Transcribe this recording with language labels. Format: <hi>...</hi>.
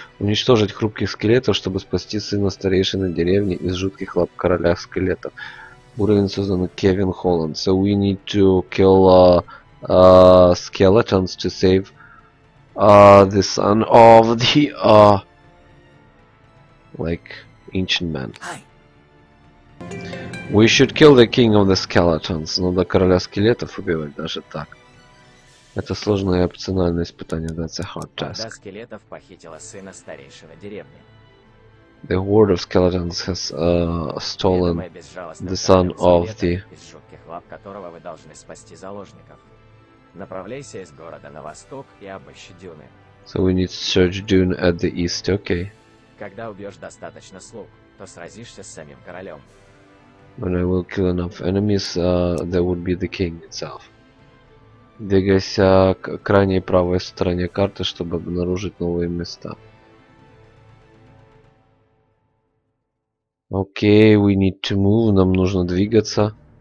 <ru>Уничтожить хрупких скелетов, чтобы спасти сына старейшины деревни из жутких лап короля скелетов. Уровень создан Кевин Холланд.</ru> <en>So we need to kill skeletons to save the son of the like ancient man. We should kill the king of the skeletons.</en> <ru>Ну да, короля скелетов убивать даже так. Это сложное опциональное испытание.</ru> <en>That's a hard task.</en> <ru>Да, скелетов похитила сына старейшего деревни.</ru> <en>The horde of skeletons has stolen the son of the.</en> <ru>Из жутких лап которого вы должны спасти заложников. Направляйся из города на восток и обыщи дюны.</ru> <en>So we need to search dune at the east, okay?</en> <ru>Когда убьешь достаточно слуг, то сразишься с самим королем.</ru> <en>When I will kill enough enemies, there would be the king itself.</en> <ru>Двигайся к крайней правой стороне карты, чтобы обнаружить новые места.</ru> <en>Окей, okay, we need to move,</en> <ru>нам нужно двигаться.</ru>